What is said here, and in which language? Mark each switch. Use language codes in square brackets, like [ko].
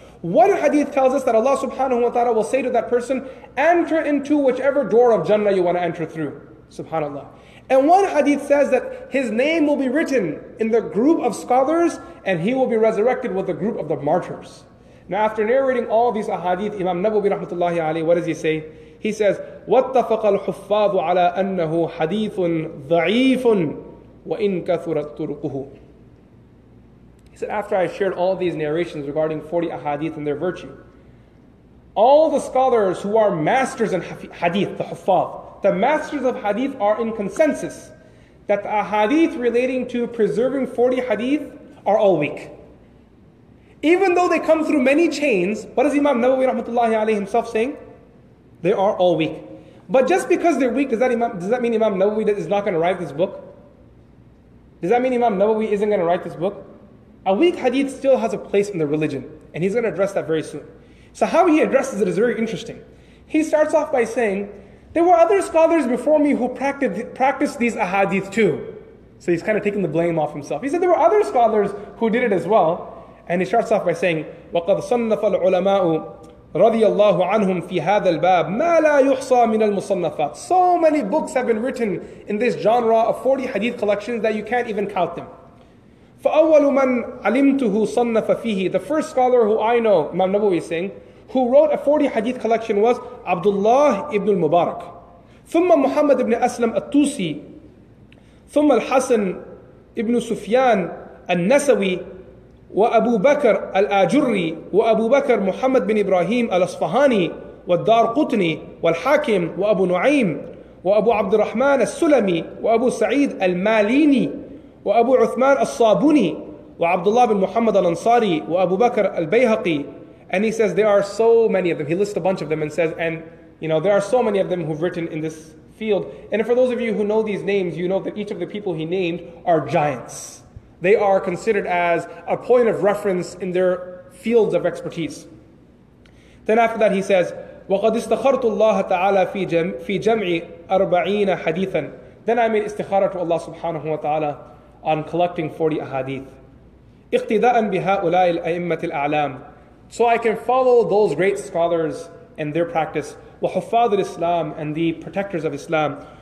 [en] One hadith tells us that Allah subhanahu wa ta'ala will say to that person, enter into whichever door of Jannah you want to enter through. Subhanallah. And one hadith says that his name will be written in the group of scholars and he will be resurrected with the group of the martyrs. Now after narrating all these ahadith, Imam Nawawi rahmatullahi alayhi, what does he say? He says, [ar] وَاتَّفَقَ الْحُفَّاظُ عَلَىٰ أَنَّهُ حَدِيثٌ ضَعِيفٌ وَإِنْ كَثُرَتْ طُرُقُهُ. [en] He said, after I shared all these narrations regarding 40 ahadith and their virtue, all the scholars who are masters in hadith, the huffaz, the masters of hadith are in consensus that the ahadith relating to preserving 40 hadith are all weak. Even though they come through many chains, what is Imam Nawawi rahmatullahi alayhi himself saying? They are all weak. But just because they're weak, does that mean Imam Nawawi is not going to write this book? Does that mean Imam Nawawi isn't going to write this book? A weak hadith still has a place in the religion, and he's going to address that very soon. So how he addresses it is very interesting. He starts off by saying, there were other scholars before me who practiced these ahadith too. So he's kind of taking the blame off himself. He said, there were other scholars who did it as well. And he starts off by saying, [ar] وَقَدْ صَنَّفَ الْعُلَمَاءُ رَضِيَ اللَّهُ عَنْهُمْ فِي هَذَا الْبَابِ مَا لَا يُحْصَى مِنَ الْمُصَنَّفَاتِ. [en] So many books have been written in this genre of 40 hadith collections that you can't even count them. [ar] فَأَوَّلُ مَنْ عَلِمْتُهُ صَنَّفَ فِيهِ. [en] The first scholar who I know, Imam Nawawi is saying, who wrote a 40 hadith collection was Abdullah ibn al-Mubarak. [ar] ثُمَّ Muhammad ibn Aslam al-Tusi. ثُمَّ الْحَسَنِ ibn Sufyan al-Nasawi. وَأَبُو بَكَرْ الْآجُرِّي وَأَبُو بَكَرْ مُحَمَّدْ بِنْ إِبْرَاهِيمِ الْأَصْفَهَانِي وَالدَّارْ قُتْنِي وَالْحَاكِمِ وَأَبُو نُعِيمِ وَأَبُو عَبْدِ الرَّحْمَنِ السُّلَمِي وَأَبُو سَعِيدِ الْمَالِينِي وَأَبُو عُثْمَانِ الصَّابُنِي وَعَبْدُ اللَّهِ بِنْ مُحَمَّدْ الْأَنْصَارِي وَأَبُو بَكَرْ الْبَيْهَقِي. [en] And he says there are so many of them. He lists a bunch of them and says, and you know, there are so many of them who've written in this field. And for those of you who know these names, you know that each of the people he named are giants. They are considered as a point of reference in their fields of expertise. Then after that he says, [ar] وَقَدْ إِسْتَخَرْتُ اللَّهَ تَعَالَى فِي جَمْعِ أَرْبَعِينَ حَدِيثًا. [en] Then I made istikhara to Allah subhanahu wa ta'ala on collecting 40 ahadith. [ar] اِقْتِدَاءً بِهَاُولَاءِ الْأَئِمَّةِ الْأَعْلَامِ. [en] So I can follow those great scholars and their practice. [ar] وَحُفَّاظِ الْإِسْلَامِ, [en] and the protectors of Islam.